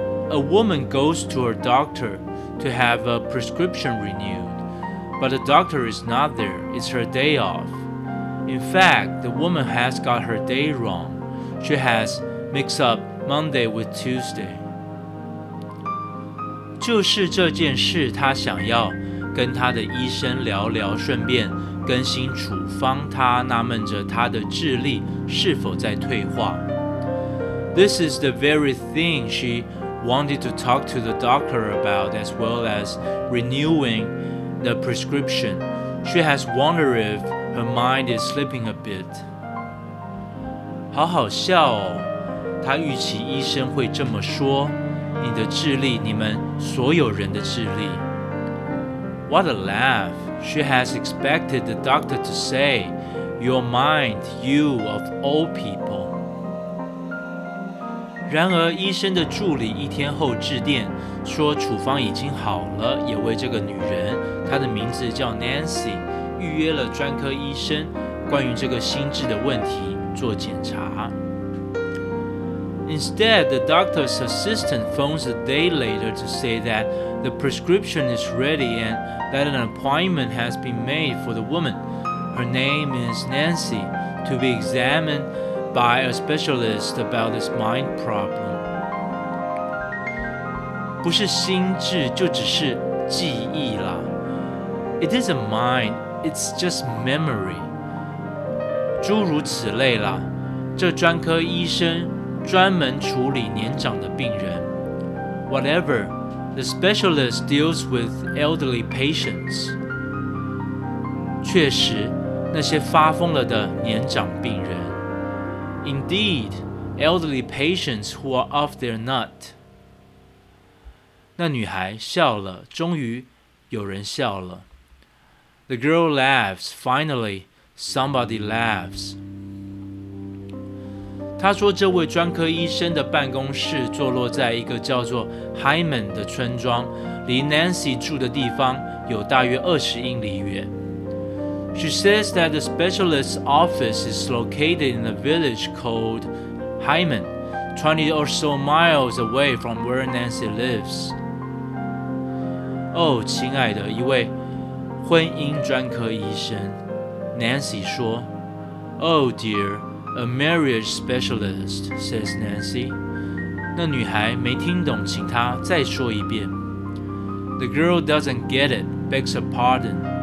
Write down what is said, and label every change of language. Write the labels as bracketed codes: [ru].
[en] A woman goes to her doctor to have a prescription renewed, but the doctor is not there. It's her day off. In fact, the woman has got her day wrong. She has mixed up Monday with Tuesday. [zh] 就是这件事，她想要跟她的医生聊聊，顺便。更新处方，他纳闷着他的智力是否在退化。 [en] This is the very thing she wanted to talk to the doctor about, as well as renewing the prescription. She has wondered if her mind is slipping a bit. [zh] 好好笑哦，她预期医生会这么说，你的智力，你们所有人的智力。 [en] What a laugh! She has expected the doctor to say, "Your mind, you of all people." [zh] 然而，医生的助理一天后致电，说处方已经好了，也为这个女人，她的名字叫 Nancy， 预约了专科医生，关于这个心智的问题做检查。 [en] Instead, the doctor's assistant phones a day later to say that the prescription is ready and that an appointment has been made for the woman. Her name is Nancy, to be examined by a specialist about this mind problem. [zh] 不是心智，就只是记忆啦。 [en] It isn't mind, it's just memory. [zh] 诸如此类啦，这专科医生专门处理年长的病人。 [en] Whatever, the specialist deals with elderly patients. [zh] 确实，那些发疯了的年长病人。 [en] Indeed, elderly patients who are off their nut. [zh] 那女孩笑了，终于有人笑了。 [en] The girl laughs, finally, somebody laughs. [zh] 他说这位专科医生的办公室坐落在一个叫做 Hyman 的村庄，离 Nancy 住的地方有大约20英里远。 [en] She says that the specialist's office is located in a village called Hyman, 20 or so miles away from where Nancy lives. [zh] 哦，亲爱的，一位婚姻专科医生， Nancy 说， [en] Oh dear,A marriage specialist, says Nancy. [zh] 那女孩没听懂，请她再说一遍。 [en] The girl doesn't get it, begs her pardon.